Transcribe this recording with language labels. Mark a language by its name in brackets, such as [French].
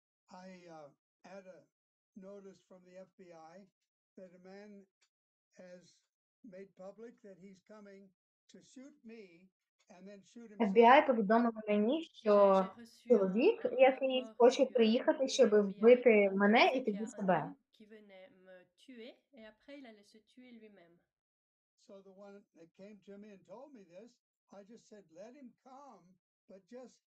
[English] I had a notice from the FBI that a man has made public that he's coming to shoot me and then shoot himself. [Ukrainian] FBI повідомив мені, що чоловік, який хоче приїхати, щоб вбити мене і тоді себе. [French] Qui venait me tuer et après il allait se tuer lui-même. [English] So the one that came to me and told me this, I just said let him come, but just